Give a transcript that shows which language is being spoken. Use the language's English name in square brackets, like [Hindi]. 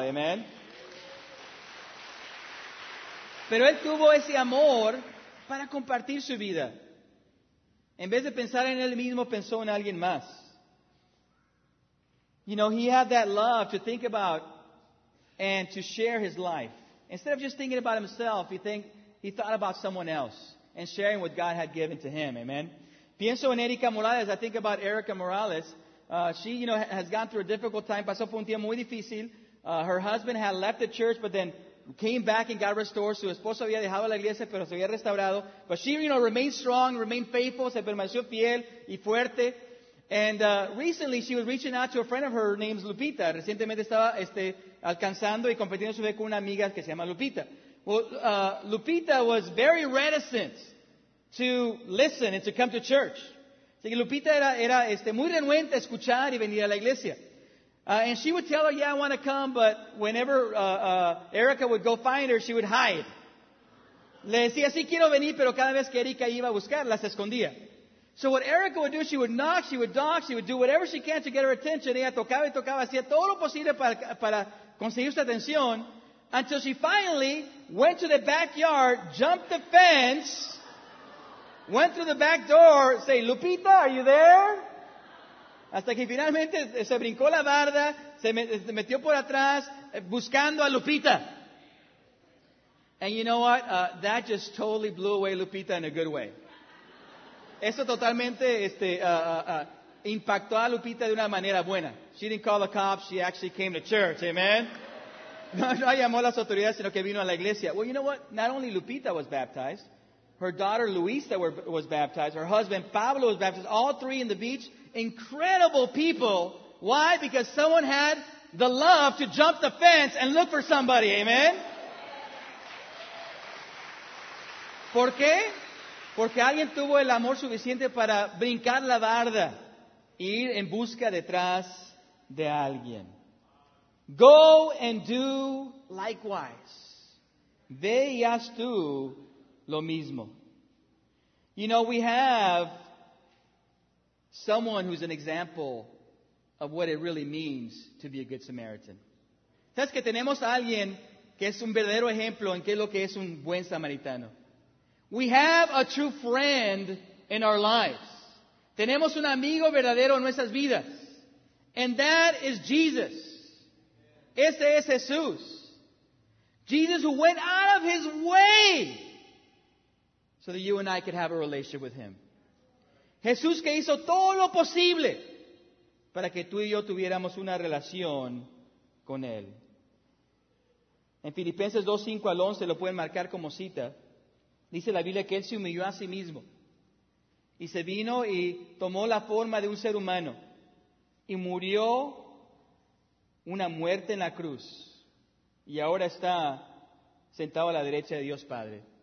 [English] Amen. [Spanish] Pero él tuvo ese amor para compartir su vida. En vez de pensar en él mismo, pensó en alguien más. [English] You know, he had that love to think about and to share his life. Instead of just thinking about himself, he thought about someone else and sharing what God had given to him. Amen. [Spanish] Pienso en Erika Morales. [English] I think about Erika Morales. She, you know, has gone through a difficult time. [Spanish] Pasó por un tiempo muy difícil. [English] Her husband had left the church, but then came back and got restored. [Spanish] Su esposo había dejado la iglesia, pero se había restaurado. [English] But she, you know, remained strong, remained faithful, [Spanish] se permaneció fiel y fuerte. [English] And recently, she was reaching out to a friend of her named Lupita. [Spanish] Recientemente estaba alcanzando y compartiendo su fe con una amiga que se llama Lupita. [English] Well, Lupita was very reticent to listen and to come to church. [Spanish] Así que Lupita era muy renuente a escuchar y venir a la iglesia. [English] And she would tell her, yeah, I want to come, but whenever Erica would go find her, she would hide. [Spanish] Le decía, sí, quiero venir, pero cada vez que Erika iba a buscarla, se escondía. [English] So what Erica would do, she would knock, she would dock, she would do whatever she can to get her attention. [Spanish] Ella tocaba y tocaba, hacía todo lo posible para conseguir su atención, [English] until she finally went to the backyard, jumped the fence, went through the back door, say, Lupita, are you there? [Spanish] Hasta que finalmente se brincó la barda, se metió por atrás, buscando a Lupita. [English] And you know what? That just totally blew away Lupita in a good way. [Spanish] Eso totalmente impactó a Lupita de una manera buena. [English] She didn't call the cops, she actually came to church, amen? [Spanish] No llamó a las autoridades, sino que vino a la iglesia. [English] Well, you know what? Not only Lupita was baptized, Her daughter Luisa was baptized. Her husband Pablo was baptized. All three in the beach. Incredible people. Why? Because someone had the love to jump the fence and look for somebody. Amen? [Spanish] ¿Por qué? Porque alguien tuvo el amor suficiente para brincar la barda e ir en busca detrás de alguien. [English] Go and do likewise. [Spanish] Ve y haz tú lo mismo. [English] You know, we have someone who's an example of what it really means to be a good Samaritan. [Spanish] ¿Sabes que tenemos a alguien que es un verdadero ejemplo en qué es lo que es un buen samaritano? [English] We have a true friend in our lives. [Spanish] Tenemos un amigo verdadero en nuestras vidas. [English] And that is Jesus. [Spanish] Ese es Jesús. [English] Jesus who went out of his way so that you and I could have a relationship with him. [Spanish] Jesús que hizo todo lo posible para que tú y yo tuviéramos una relación con él. En Filipenses 2:5 al 11 lo pueden marcar como cita. Dice la Biblia que él se humilló a sí mismo y se vino y tomó la forma de un ser humano y murió una muerte en la cruz y ahora está sentado a la derecha de Dios Padre.